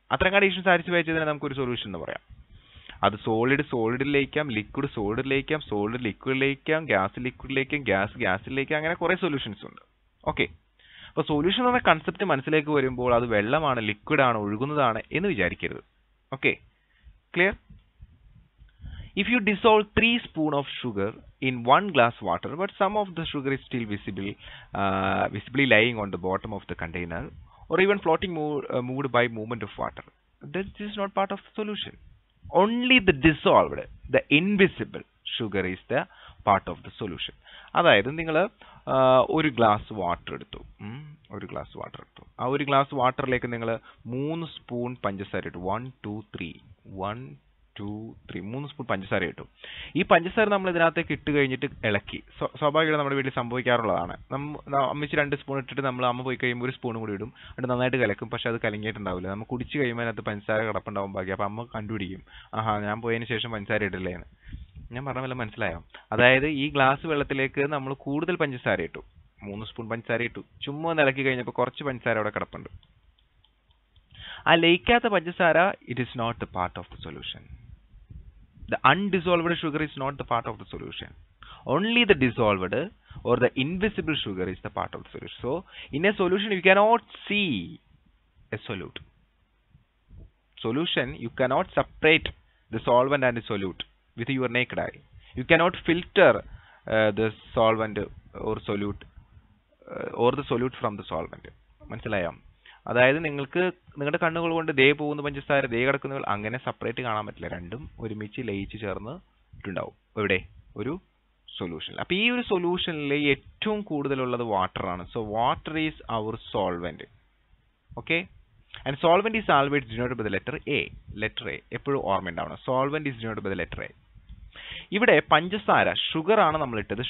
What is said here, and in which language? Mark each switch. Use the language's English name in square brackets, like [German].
[Malayalam] അത്തരം കണ്ടീഷൻ സാധിച്ചു വെച്ചതിനെ നമുക്കൊരു സൊല്യൂഷൻ എന്ന് പറയാം. അത് solid സോളിഡിൽ ലയിക്കാം, liquid സോളിഡിൽ ലയിക്കാം, solid ലിക്വിഡിൽ ലയിക്കാം, gas ലിക്വിഡിൽ ലയിക്കാം, gas ഗ്യാസിൽ ലയിക്കാം, അങ്ങനെ കുറേ സൊല്യൂഷൻസ് ഉണ്ട്. ഓക്കെ. അപ്പോൾ സൊല്യൂഷൻ എന്ന കൺസെപ്റ്റ് മനസ്സിലേക്ക് വരുമ്പോൾ അത് വെള്ളമാണ്, ലിക്വിഡാണ്, ഒഴുകുന്നതാണ് എന്ന് വിചാരിക്കരുത്. Okay. Clear? [English] If you dissolve 3 spoons of sugar in 1 glass of water, but some of the sugar is still visible, visibly lying on the bottom of the container or even floating moved by movement of water, that is not part of the solution. Only the dissolved, the invisible sugar is the part of the solution. [Malayalam] അതായത് നിങ്ങൾ ഒരു glass water എടുത്തു, ഒരു glass water എടുത്തു, ആ ഒരു glass വാട്ടറിലേക്ക് നിങ്ങൾ 3 spoon പഞ്ചസാര ഇട്ടു, 1, 2, 3 മൂന്ന് സ്പൂൺ പഞ്ചസാര ഇട്ടു. ഈ പഞ്ചസാര നമ്മൾ ഇതിനകത്തേക്ക് ഇട്ട് കഴിഞ്ഞിട്ട് ഇളക്കി, സ്വാഭാവികമായിട്ട് നമ്മുടെ വീട്ടിൽ സംഭവിക്കാറുള്ളതാണ്, അമ്മച്ചി 2 സ്പൂൺ ഇട്ടിട്ട് നമ്മൾ അമ്മ പോയി കഴിയുമ്പോൾ 1 സ്പൂൺ കൂടി ഇടും, എന്നിട്ട് നന്നായിട്ട് കലക്കും, പക്ഷെ അത് കലങ്ങിയിട്ടുണ്ടാവില്ല, നമ്മൾ കുടിച്ച് കഴിയുമ്പോൾ അതിനകത്ത് പഞ്ചസാര കിടപ്പുണ്ടാവും ബാക്കി. അപ്പം അമ്മ കണ്ടുപിടിക്കും, ആഹാ ഞാൻ പോയതിന് ശേഷം പഞ്ചസാര ഇട്ടില്ലേന്ന്. ഞാൻ പറഞ്ഞതെല്ലാം മനസ്സിലായോ? അതായത് ഈ ഗ്ലാസ് വെള്ളത്തിലേക്ക് നമ്മൾ കൂടുതൽ പഞ്ചസാര ഇട്ടു, 3 സ്പൂൺ പഞ്ചസാര ഇട്ടു, ചുമ്മാ ഒന്ന് ഇളക്കി കഴിഞ്ഞപ്പോൾ കുറച്ച് പഞ്ചസാര അവിടെ കിടപ്പുണ്ട്. ആ ലയിക്കാത്ത പഞ്ചസാര, [English] It is not the part of the solution. The undissolved sugar is not the part of the solution. Only the dissolved or the invisible sugar is the part of the solution. So in a solution you cannot see a solute. Solution you cannot separate the solvent and the solute with your naked eye. You cannot filter the solvent or solute or the solute from the solvent. [Malayalam] മനസ്സിലായോ? അതായത് നിങ്ങൾക്ക് നിങ്ങളുടെ കണ്ണുകൾ കൊണ്ട് ദേ പോകുന്ന പഞ്ചസാര, ദേ കിടക്കുന്ന അങ്ങനെ സെപ്പറേറ്റ് കാണാൻ പറ്റില്ല, രണ്ടും ഒരുമിച്ച് ലയിച്ച് ചേർന്നിട്ടുണ്ടാവും. എവിടെ? ഒരു സൊല്യൂഷൻ. അപ്പൊ ഈ ഒരു സൊല്യൂഷനിൽ ഏറ്റവും കൂടുതലുള്ളത് വാട്ടർ ആണ്. [English] So water is our solvent. Okay. And solvent is always denoted by the letter A. Letter A. [Malayalam] Eppozhum ormayundavanam. [English] Solvent is denoted by the letter A. [Malayalam] Ivide panchasara sugar aanu nammal ittathu.